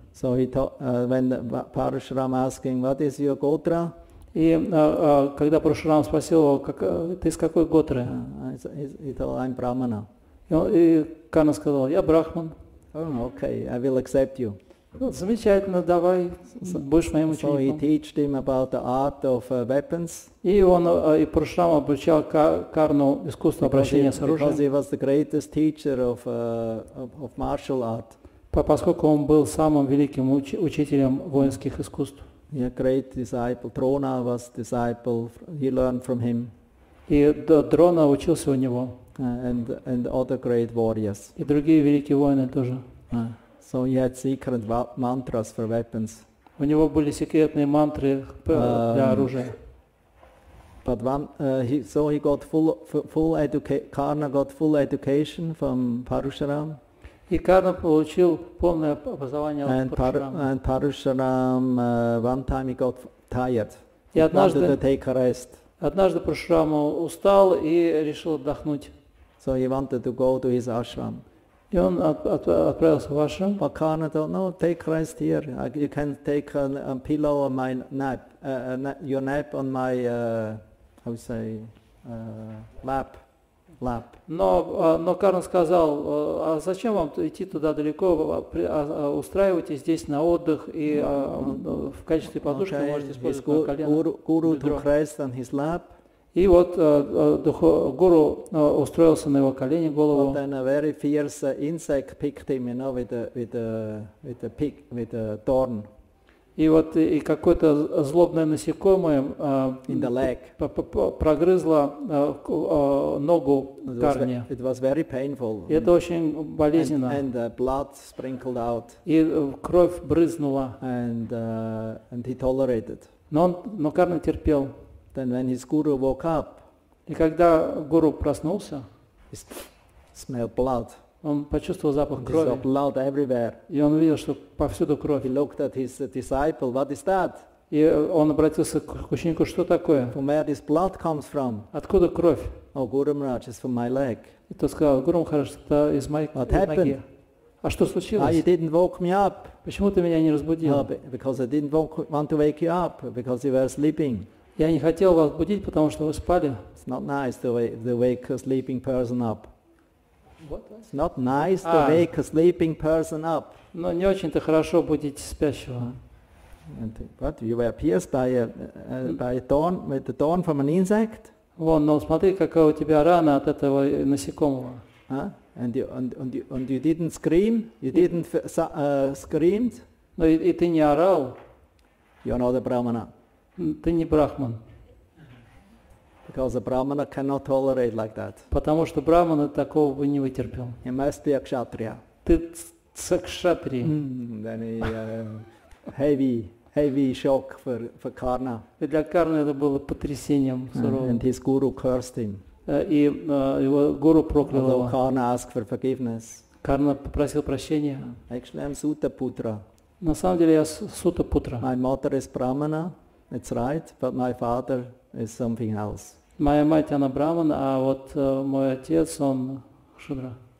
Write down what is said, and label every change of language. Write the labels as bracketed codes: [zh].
[en] So he when Parashuram asking what is your gotra? [ru] И когда Парашурам спросил его, ты из какой готры? [en] He told, I'm brahmana. [ru] И Карна сказал, я брахман. [en] Oh, okay, I will accept you. [ru] Замечательно, давай, будешь моим учеником. [en] So he taught him about the art of weapons. [ru] И он и Парашурам обучал Карну искусству обращения с оружием. [en] Because he was the greatest teacher of martial art. [ru] Поскольку он был самым великим учителем воинских искусств. [en] He had a great disciple. Drona was a disciple. He learned from him. [ru] И Дрона учился у него. [en] And other great warriors. [ru] И другие великие воины тоже. [en] So he had secret mantras for weapons. [ru] У него были секретные мантры для оружия. [en] But he got full education. Karna got full education from Parashuram. [ru] И Карна получил полное образование от Парашурама. [en] And Parashuram one time he got tired. He wanted to take a rest. [ru] Однажды Парашурама устал и решил отдохнуть. [en] So he wanted to go to his ashram. [ru] И он отправился в ашрам. [en] But Karna told, no, take rest here. You can take a pillow on my nap, your nap on my lap. Lap. [ru] Но Карна сказал, а зачем вам идти туда далеко, устраивайтесь здесь на отдых и в качестве подушки okay. Можете использовать колено. [en] Guru took rest on his lap. [ru] И вот гуру устроился на его колени, голову. [en] But then a very fierce insect picked him, you know, with a pick, with a thorn. [ru] И вот и какое-то злобное насекомое прогрызло ногу Карне. [en] It was very painful. [ru] И это очень болезненно. [en] And blood sprinkled out. [ru] И кровь брызнула. [en] And he tolerated. [ru] Но Карна терпел. [en] Then when his guru woke up, [ru] и когда гуру проснулся, [en] he smelled blood. [ru] Он почувствовал запах крови. [en] Blood everywhere. [ru] И он увидел, что повсюду кровь. [en] He looked at his disciple. What is that? [ru] И он обратился к ученику, что такое? [en] From where this blood comes from? [ru] Откуда кровь? [en] Oh, Guru Maharaj, it's from my leg. [ru] И тот сказал, Гуру Махарадж, это из моей ноги. [en] What happened? [ru] А что случилось? [en] Oh, you didn't woke me up. [ru] Почему ты меня не разбудил? [en] Oh, because I didn't want to wake you up, because you were sleeping. [ru] Я не хотел вас будить, потому что вы спали. [en] It's not nice to wake a sleeping person up. What? It's not nice to wake a sleeping person up. [ru] Но не очень-то хорошо будить спящего. [en] And what? You were pierced by a thorn, with the thorn from an insect? [ru] Вон, но смотри, какая у тебя рана от этого насекомого. [en] And you didn't scream? You didn't scream? [ru] Но и ты не орал. [en] You're not a brahmana. [ru] Ты не брахман. [en] Because a brahmana cannot tolerate like that. [ru] Потому что брахман такого бы не вытерпел. [en] He must be a kshatriya. [ru] Ты кшатри. [en] Then heavy shock for Karna. [ru] И для Карны это было потрясением суровым. [en] And his guru cursed him. [ru] И его гуру проклял его. [en] Although Karna asked for forgiveness. [ru] Карна попросил прощения. [en] Actually, I'm Sutta Putra. [ru] На самом деле я Сута Путра. [en] My mother is Brahmana, it's right, but my father is something else. [ru] Моя мать, она Брахмана, а вот мой отец, он Шудра.